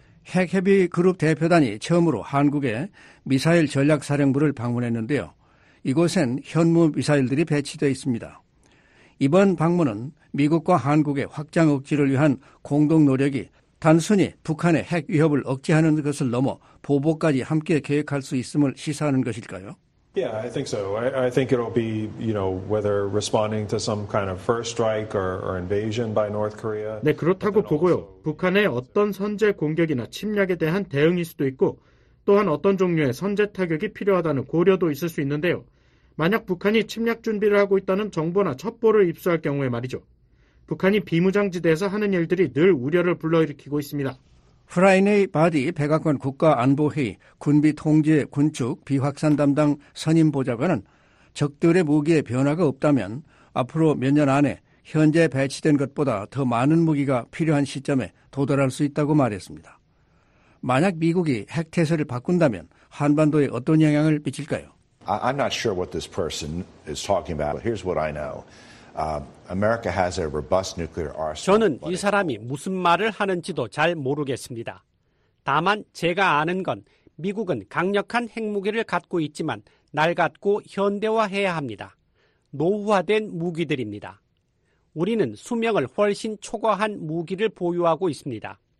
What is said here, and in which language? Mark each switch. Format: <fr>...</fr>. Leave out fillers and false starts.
<ko>핵협의 그룹 대표단이 처음으로 한국의 미사일 전략사령부를 방문했는데요. 이곳엔 현무 미사일들이 배치되어 있습니다. 이번 방문은 미국과 한국의 확장 억지를 위한 공동 노력이 단순히 북한의 핵 위협을 억제하는 것을 넘어 보복까지 함께 계획할 수 있음을 시사하는 것일까요?</ko> <en>Yeah, I think so. I think it'll be, you know, whether responding to some kind of first strike or invasion by North Korea.</en> <ko>네, 그렇다고 보고요. 북한의 어떤 선제 공격이나 침략에 대한 대응일 수도 있고 또한 어떤 종류의 선제 타격이 필요하다는 고려도 있을 수 있는데요. 만약 북한이 침략 준비를 하고 있다는 정보나 첩보를 입수할 경우에 말이죠. 북한이 비무장지대에서 하는 일들이 늘 우려를 불러일으키고 있습니다. 프라이네이 바디 백악관 국가안보회의 군비통제 군축 비확산 담당 선임보좌관은 적들의 무기에 변화가 없다면 앞으로 몇 년 안에 현재 배치된 것보다 더 많은 무기가 필요한 시점에 도달할 수 있다고 말했습니다. 만약 미국이 핵태세를 바꾼다면 한반도에 어떤 영향을 미칠까요?</ko> <en>I'm not sure what this person is talking about, but here's what I know. America has a robust nuclear arsenal.</en> <ko>저는 이 사람이 무슨 말을 하는지도 잘 모르겠습니다. 다만 제가 아는 건 미국은 강력한 핵무기를 갖고 있지만 낡았고 현대화해야 합니다. 노후화된 무기들입니다. 우리는 수명을 훨씬 초과한 무기를 보유하고 있습니다.</ko>